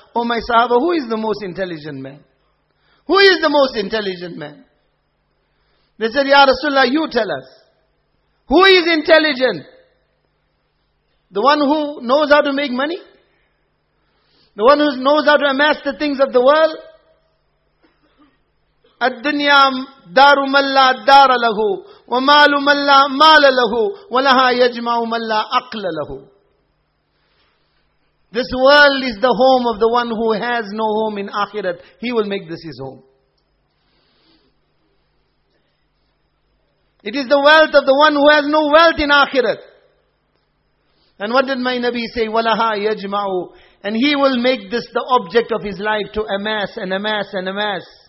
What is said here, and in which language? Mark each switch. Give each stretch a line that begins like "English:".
English: Oh my Sahaba, who is the most intelligent man? Who is the most intelligent man? They said, Ya Rasulullah, you tell us. Who is intelligent? The one who knows how to make money? The one who knows how to amass the things of the world?
Arabic: الدنيا دار من لا دار له ومال من لا مال له ولها يجمع من لا عقل له.
English: This world is the home of the one who has no home in akhirat. He will make this his home. It is the wealth of the one who has no wealth in akhirat. And what did my Nabi say? Walaha yajma'u. And he will make this the object of his life to amass and amass and amass.